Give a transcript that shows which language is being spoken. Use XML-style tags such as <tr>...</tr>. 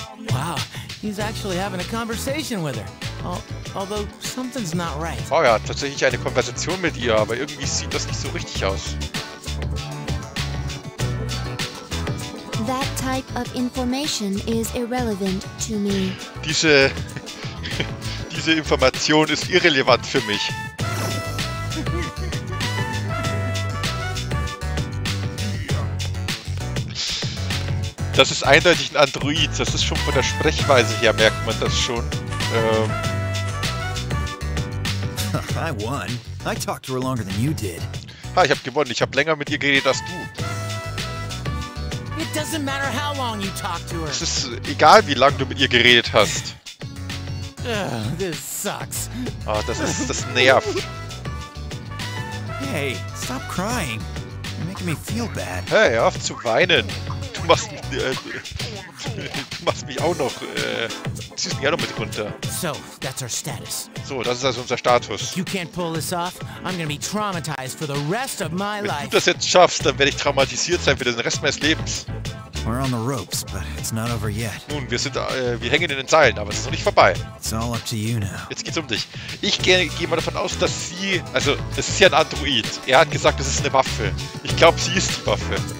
<en>Wow, he's actually having a conversation with her. Although something's not right.</en> <de>Oh ja, tatsächlich eine Konversation mit ihr, aber irgendwie sieht das nicht so richtig aus.</de> <en>That type of information is irrelevant to me.</en> <de>Diese Information ist irrelevant für mich. Das ist eindeutig ein Android. Das ist schon von der Sprechweise her, merkt man das schon.</de> <en>I won. I talked to her longer than you did.</en> <de>Ha, ich hab gewonnen. Ich hab länger mit ihr geredet als du.</de> <en>It doesn't matter how long you talked to her.</en> <de>Es ist egal, wie lange du mit ihr geredet hast.</de> <en>This sucks.</en> <de>Oh, das nervt.</de> <en>Hey, stop crying. You're making me feel bad.</en> <de>Hey, auf zu weinen. Du machst mich auch noch, ziehst mich auch noch mit runter.</de> <en>So, that's our status.</en> <de>So, das ist also unser Status.</de> <en>You can't pull this off. I'm gonna be traumatized for the rest of my</en> <de>Wenn</de> <en>life.</en> <de>Du das jetzt schaffst, dann werde ich traumatisiert sein für den Rest meines Lebens.</de> <en>We're on the ropes, but it's not over yet.</en> <de>Nun, wir hängen in den Seilen, aber es ist noch nicht vorbei.</de> <en>It's all up to you now.</en> <de>Jetzt geht's um dich. Ich gehe mal davon aus, dass sie... Also, es ist ja ein Android. Er hat gesagt, es ist eine Waffe. Ich glaube, sie ist die Waffe.</de>